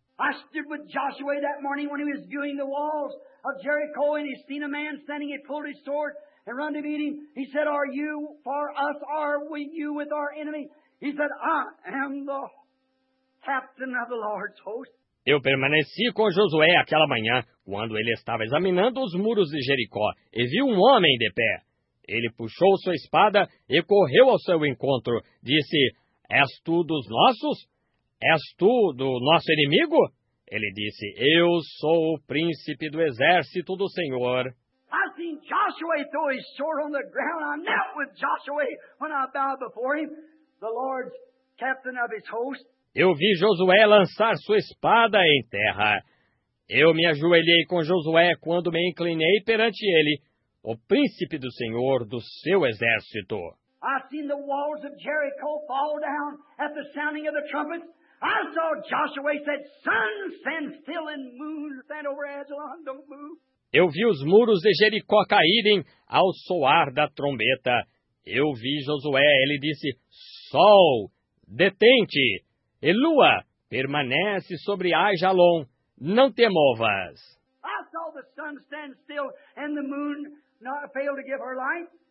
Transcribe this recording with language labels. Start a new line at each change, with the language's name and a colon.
English: I stood with Joshua that morning when he was viewing the walls of Jericho, and he seen a man standing, he pulled his sword. And run to meet him. He said, are you for us? Are we you with our enemy? He said, I am the captain of the Lord's host.
Portuguese: Eu permaneci com Josué aquela manhã, quando ele estava examinando os muros de Jericó, e viu um homem de pé. Ele puxou sua espada e correu ao seu encontro. Disse, és tu dos nossos? És tu do nosso inimigo? Ele disse, eu sou o príncipe do exército do Senhor.
English: I've seen Joshua throw his sword on the ground. I knelt with Joshua when I bowed before him, the Lord's captain of his host.
Portuguese: Eu vi Josué lançar sua espada em terra. Eu me ajoelhei com Josué quando me inclinei perante ele, o príncipe do Senhor do seu exército.
English: I seen the walls of Jericho fall down at the sounding of the trumpets. I saw Joshua said, "Sun, stand still, and moon, stand over Ajalon, don't move."
Portuguese: Eu vi os muros de Jericó caírem ao soar da trombeta. Eu vi Josué, ele disse, "Sol, detente, e lua, permanece sobre Ajalon, não te movas."
English: I saw the sun stand still and the moon not fail to give her light.